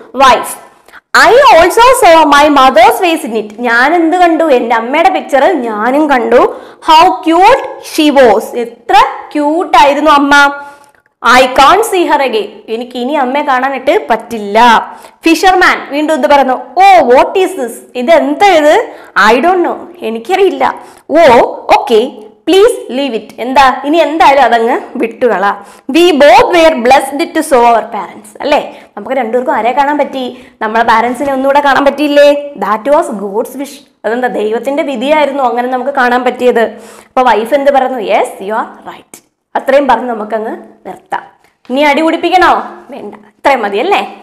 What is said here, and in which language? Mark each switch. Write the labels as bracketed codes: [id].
[en] Wife, I also saw my mother's face in it. [ml] ഞാൻ എന്ത് കണ്ടു? എൻ്റെ അമ്മയുടെ പിക്ചർ ഞാനും കണ്ടു. [en] how cute she was, [ml] എത്ര ക്യൂട്ടായിരുന്നു അമ്മ. [en] I can't see her again. [ml] ഇനി അമ്മയെ കാണാനിട്ട് പറ്റില്ല. Fisherman വീണ്ടും എന്ത് പറഞ്ഞു? [en] Oh, what is this? [ml] ഇതെന്താണ് ഇത്? [en] I don't know. [ml] എനിക്കറിയില്ല. [en] Oh, okay. Please leave it. [ml] എന്താ ഇനി എന്തായാലും അതങ്ങ് വിട്ടുകള. [en] We both were blessed to see our parents. [ml] അല്ലേ? നമുക്ക് രണ്ടുപേർക്കും ആരെ കാണാൻ പറ്റി? നമ്മുടെ പാരൻസിനെ ഒന്നുകൂടെ കാണാൻ പറ്റിയില്ലേ? [en] That was God's wish. [ml] അതെന്താ ദൈവത്തിന്റെ വിധിയായിരുന്നു അങ്ങനെ നമുക്ക് കാണാൻ പറ്റിയത്. അപ്പൊ വൈഫ് എന്ത് പറഞ്ഞു? [en] Yes, you are right. [ml] അത്രയും പറഞ്ഞ് നമുക്കങ്ങ് നിർത്താം. ഇനി അടി കുടിപ്പിക്കണോ? വേണ്ട, ഇത്രയും മതി അല്ലേ.